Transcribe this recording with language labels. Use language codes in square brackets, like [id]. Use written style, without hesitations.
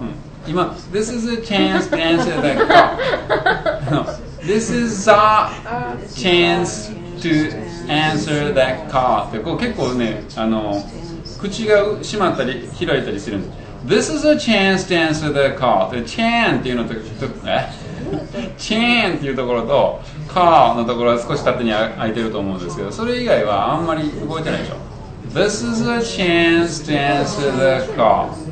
[ja] うん、今 [en] This is a chance to answer that call. This is a chance to answer that call [ja] ってこう結構ね、あの口が閉まったり開いたりするんです。 [en] This is a chance to answer that call. [ja] Chance っていうのとえチェーンっていうところとカーのところは少し縦に空いてると思うんですけど、それ以外はあんまり動いてないでしょ。 [en] This is a chance to answer the call.